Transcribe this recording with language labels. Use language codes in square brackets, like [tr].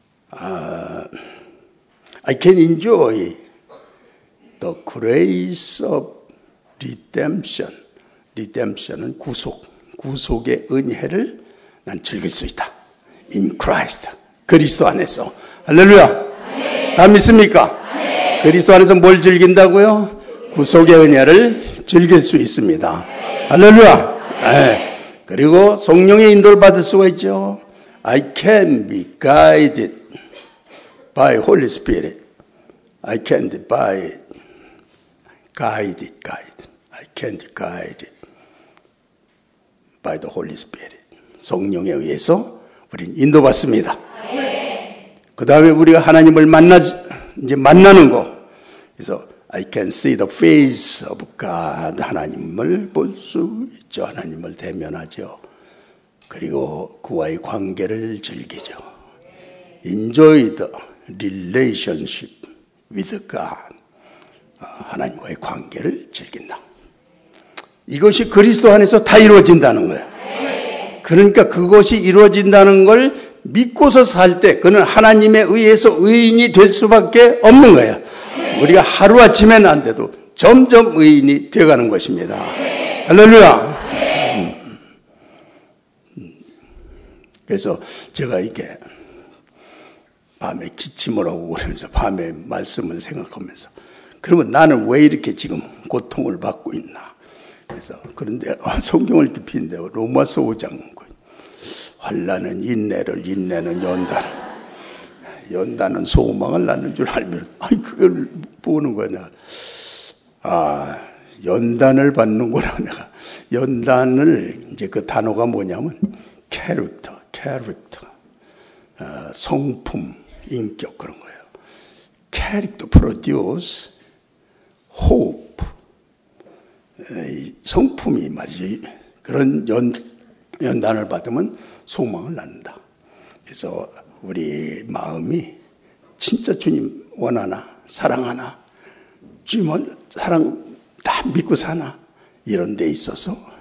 [en] I can enjoy the grace of redemption. [ko] Redemption은 구속, 구속의 은혜를 난 즐길 수 있다. [en] In Christ, [ko] 그리스도 안에서. 할렐루야. 다 믿습니까? 그리스도 안에서 뭘 즐긴다고요? 구속의 은혜를 즐길 수 있습니다. 할렐루야. 네. 그리고 성령의 인도를 받을 수가 있죠. [en] I can be guided by Holy Spirit. I can be by guided, I can be guided by the Holy Spirit. [ko] 성령에 의해서 우린 인도받습니다. 그 다음에 우리가 하나님을 만나는 거. 그래서 [en] I can see the face of God. [ko] 하나님을 볼 수 있죠. 하나님을 대면하죠. 그리고 그와의 관계를 즐기죠. [en] Enjoy the relationship with God. [ko] 하나님과의 관계를 즐긴다. 이것이 그리스도 안에서 다 이루어진다는 거예요. 그러니까 그것이 이루어진다는 걸 믿고서 살 때 그는 하나님에 의해서 의인이 될 수밖에 없는 거예요. 우리가 하루아침에는 안 돼도 점점 의인이 되어가는 것입니다. 할렐루야. 그래서 제가 이게 밤에 기침을 하고 그러면서 밤에 말씀을 생각하면서 그러면 나는 왜 이렇게 지금 고통을 받고 있나. 그래서 그런데 성경을 깊이인데 로마서 5장 환난은 인내를, 인내는 연단을, 연단은 소망을 낳는 줄 알면, 아니, 그걸 보는 거냐. 아, 연단을 받는구나, 내가. 연단을, 이제 그 단어가 뭐냐면, 캐릭터. 성품, 인격, 그런 거예요. [en] 캐릭터 produce hope. [ko] 성품이 말이지. 그런 연단을 받으면, 소망을 낳는다. 그래서 우리 마음이 진짜 주님 원하나 사랑하나 주님은 사랑 다 믿고 사나 이런 데 있어서